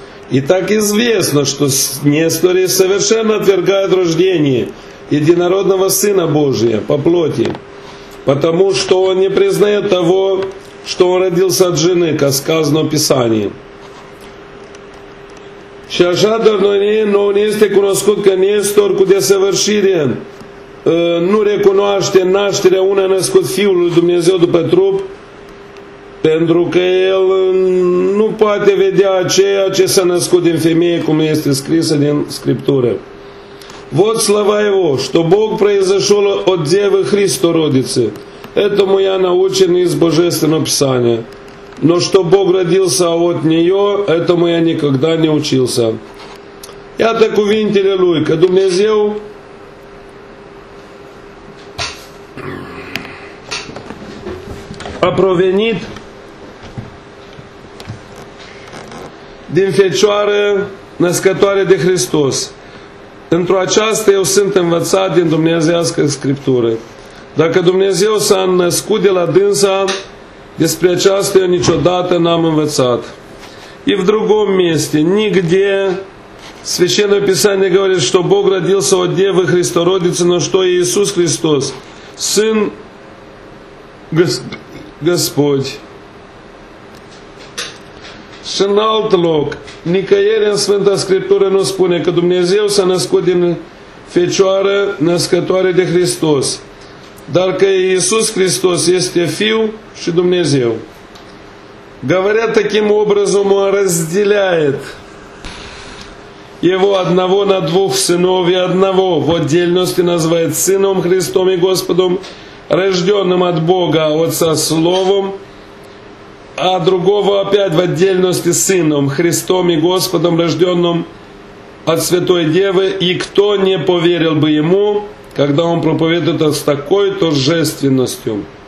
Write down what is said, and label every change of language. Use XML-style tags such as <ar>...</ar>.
<ru>И так известно, что Нестори совершенно отвергает рождение Единородного Сына Божия по плоти, потому что он не признает того, что он родился от жены, как сказано в Писании.</ru> <ro>Și așa dornoie,</ro> <ru>но он</ru> <ro>este cunoscut că Nestor cu desăvârșire nu recunoaște nașterea unui născut Fiul lui Dumnezeu după trup, pentru că el nu poate vedea ceea ce s-a născut din femeie, cum este scrisă din Scriptură.</ro> <ru>Вот слова его, что Бог произошел от Девы Христородицы. Этому я научен из Божественного Писания. Но что Бог родился от нее, этому я никогда не учился.</ru> <ro>Iată cuvintele lui, că Dumnezeu a provenit din Fecioară născătoare de Hristos. Într-o aceasta eu sunt învățat din Dumnezească Scriptură. Dacă Dumnezeu s-a născut de la dânsa, despre aceasta eu niciodată n-am învățat.</ro> <ru>И в другом месте, нигде Священное Писание говорит, что Бог родился от Девы Христородицы, но что Иисус Христос, Сын Господь.</ru> <ro>Și în alt loc, nicăieri în Sfânta Scriptură nu spune că Dumnezeu s-a născut din Fecioară născătoare de Hristos, dar că Иисус Христос este Fiul și Dumnezeu.</ro> <ru>Говоря таким образом, он разделяет его одного на двух сынов и одного в отдельности называет Сыном Христом и Господом, рожденным от Бога Отца Словом, а другого опять в отдельности Сыном Христом и Господом, рожденным от Святой Девы, и кто не поверил бы ему, когда он проповедует с такой торжественностью.</ru>